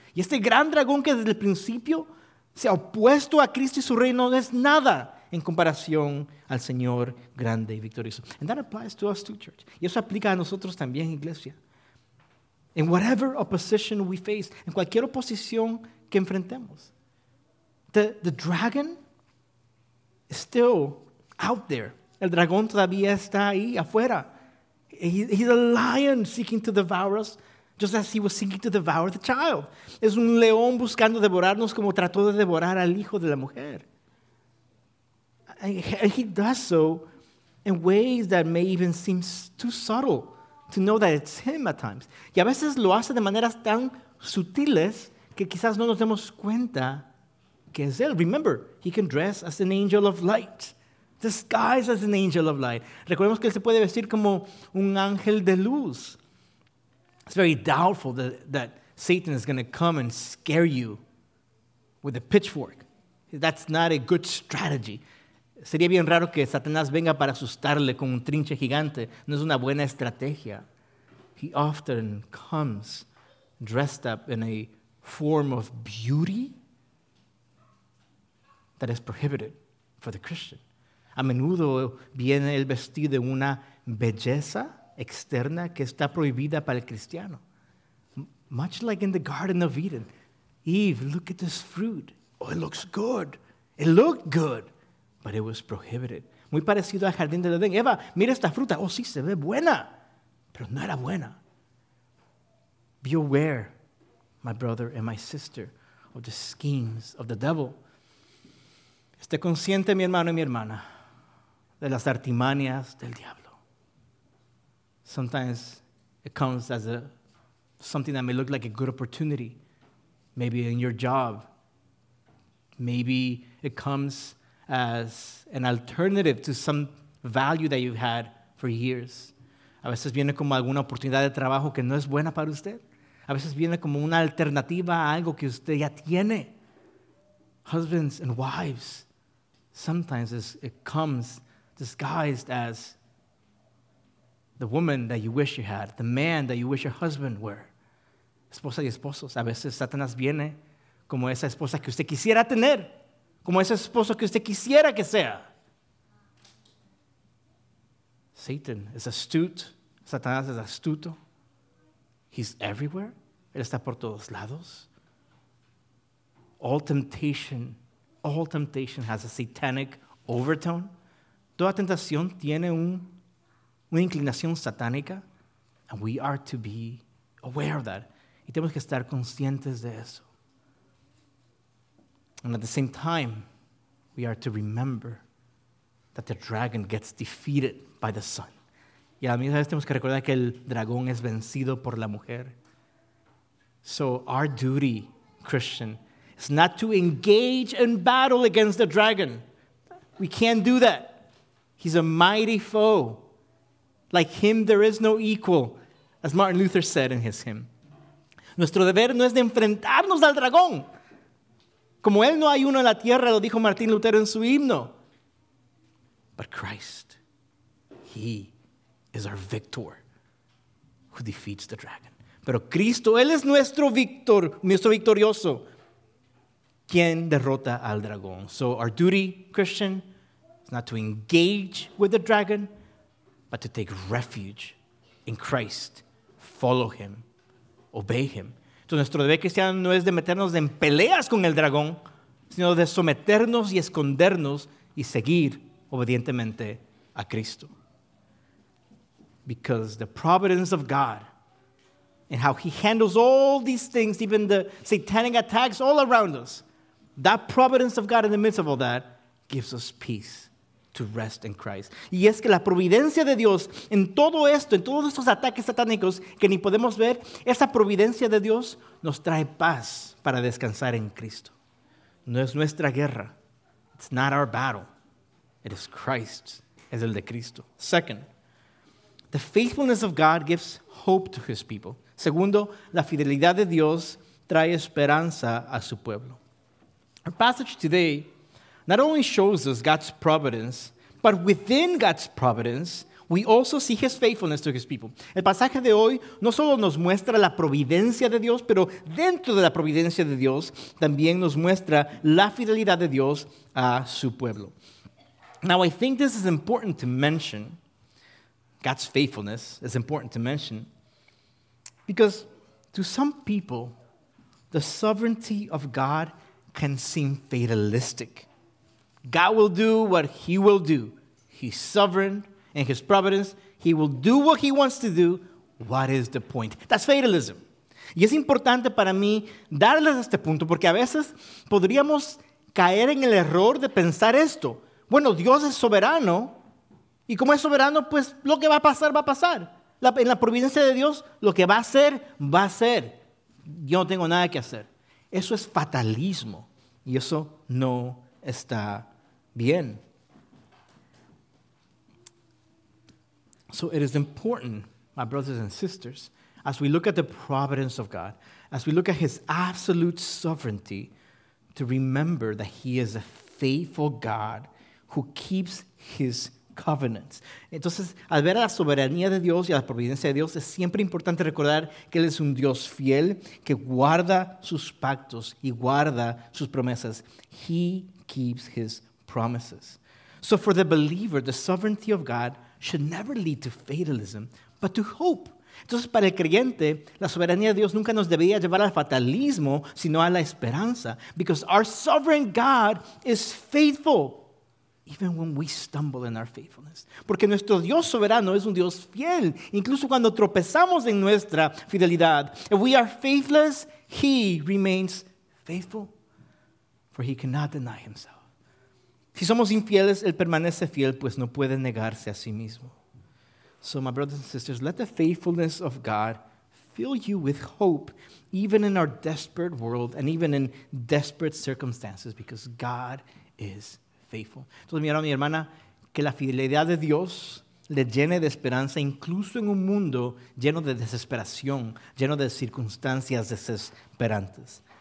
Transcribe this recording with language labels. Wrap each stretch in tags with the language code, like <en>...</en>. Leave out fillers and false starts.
<es>Y este gran dragón que desde el principio se ha opuesto a Cristo y su reino no es nada en comparación al Señor grande y victorioso.</es> <en>And that applies to us too, church.</en> <es>Y eso aplica a nosotros también, iglesia.</es> <en>In whatever opposition we face,</en> <es>en cualquier oposición que enfrentemos,</es> <en>the dragon is still out there.</en> <es>El dragón todavía está ahí afuera.</es> <en>He's a lion seeking to devour us, just as he was seeking to devour the child.</en> <es>Es un león buscando devorarnos como trató de devorar al hijo de la mujer.</es> <en>And he does so in ways that may even seem too subtle to know that it's him at times.</en> <es>Y a veces lo hace de maneras tan sutiles que quizás no nos demos cuenta que es él.</es> <en>Remember, he can dress as an angel of light, disguised as an angel of light.</en> <es>Recordemos que él se puede vestir como un ángel de luz.</es> <en>It's very doubtful that Satan is going to come and scare you with a pitchfork. That's not a good strategy.</en> <es>Sería bien raro que Satanás venga para asustarle con un trinche gigante. No es una buena estrategia.</es> <en>He often comes dressed up in a form of beauty that is prohibited for the Christian.</en> <es>A menudo viene el vestido de una belleza externa que está prohibida para el cristiano.</es> <en>Much like in the Garden of Eden. Eve, look at this fruit. Oh, it looks good. It looked good, but it was prohibited.</en> <es>Muy parecido al jardín del Edén. Eva, mira esta fruta. Oh, sí, se ve buena, pero no era buena.</es> <en>Be aware, my brother and my sister, of the schemes of the devil.</en> <es>Esté consciente, mi hermano y mi hermana, de las artimañas del diablo.</es> <en>Sometimes it comes as a something that may look like a good opportunity, maybe in your job. Maybe it comes as an alternative to some value that you've had for years.</en> <es>A veces viene como alguna oportunidad de trabajo que no es buena para usted. A veces viene como una alternativa a algo que usted ya tiene.</es> <en>Husbands and wives, sometimes it comes disguised as the woman that you wish you had, the man that you wish your husband were.</en> <es>Esposa y esposos, a veces Satanás viene como esa esposa que usted quisiera tener, como ese esposo que usted quisiera que sea.</es> <en>Satan is astute.</en> <es>Satanás es astuto.</es> <en>He's everywhere.</en> <es>Él está por todos lados.</es> <en>All temptation has a satanic overtone.</en> <es>Toda tentación tiene una inclinación satánica.</es> <en>And we are to be aware of that.</en> <es>Y tenemos que estar conscientes de eso.</es> <en>And at the same time, we are to remember that the dragon gets defeated by the sun.</en> <es>Y a la misma vez tenemos que recordar que el dragón es vencido por la mujer.</es> <en>So our duty, Christian, is not to engage in battle against the dragon. We can't do that. He's a mighty foe. Like him, there is no equal, as Martin Luther said in his hymn.</en> <es>Nuestro deber no es de enfrentarnos al dragón. Como él, no hay uno en la tierra, lo dijo Martín Lutero en su himno.</es> <en>But Christ, he is our victor who defeats the dragon.</en> <es>Pero Cristo, él es nuestro victor, nuestro victorioso, quien derrota al dragón.</es> <en>So our duty, Christian, is not to engage with the dragon, but to take refuge in Christ, follow him, obey him.</en> <es>Entonces, nuestro deber cristiano no es de meternos en peleas con el dragón, sino de someternos y escondernos y seguir obedientemente a Cristo.</es> <en>Because the providence of God and how he handles all these things, even the satanic attacks all around us, that providence of God in the midst of all that gives us peace to rest in Christ.</en> <es>Y es que la providencia de Dios en todo esto, en todos estos ataques satánicos que ni podemos ver, esa providencia de Dios nos trae paz para descansar en Cristo. No es nuestra guerra.</es> <en>It's not our battle. It is Christ's.</en> <es>Es el de Cristo.</es> <en>Second, the faithfulness of God gives hope to his people.</en> <es>Segundo, la fidelidad de Dios trae esperanza a su pueblo.</es> <en>Our passage today not only shows us God's providence, but within God's providence, we also see his faithfulness to his people.</en> <es>El pasaje de hoy no solo nos muestra la providencia de Dios, pero dentro de la providencia de Dios, también nos muestra la fidelidad de Dios a su pueblo.</es> <en>Now, I think this is important to mention. God's faithfulness is important to mention. Because to some people, the sovereignty of God can seem fatalistic. God will do what he will do. He's sovereign in his providence. He will do what he wants to do. What is the point? That's fatalism.</en> <es>Y es importante para mí darles este punto porque a veces podríamos caer en el error de pensar esto. Bueno, Dios es soberano. Y como es soberano, pues lo que va a pasar, va a pasar. En la providencia de Dios, lo que va a hacer, va a ser. Yo no tengo nada que hacer. Eso es fatalismo. Y eso no está bien.</es> <en>So it is important, my brothers and sisters, as we look at the providence of God, as we look at his absolute sovereignty, to remember that he is a faithful God who keeps his covenants.</en> <es>Entonces, al ver a la soberanía de Dios y a la providencia de Dios, es siempre importante recordar que él es un Dios fiel que guarda sus pactos y guarda sus promesas.</es> <en>He keeps his promises. So for the believer, the sovereignty of God should never lead to fatalism, but to hope.</en> <es>Entonces, para el creyente, la soberanía de Dios nunca nos debería llevar al fatalismo, sino a la esperanza.</es> <en>Because our sovereign God is faithful, even when we stumble in our faithfulness.</en> <es>Porque nuestro Dios soberano es un Dios fiel, incluso cuando tropezamos en nuestra fidelidad.</es> <en>If we are faithless, He remains faithful, for He cannot deny Himself.</en> <es>Si somos infieles, Él permanece fiel, pues no puede negarse a sí mismo.</es> <en>So, my brothers and sisters, let the faithfulness of God fill you with hope, even in our desperate world and even in desperate circumstances, because God is faithful.</en> <es>Entonces, mi hermano, mi hermana, que la fidelidad de Dios le llene de esperanza, incluso en un mundo lleno de desesperación, lleno de circunstancias desesperantes.</es>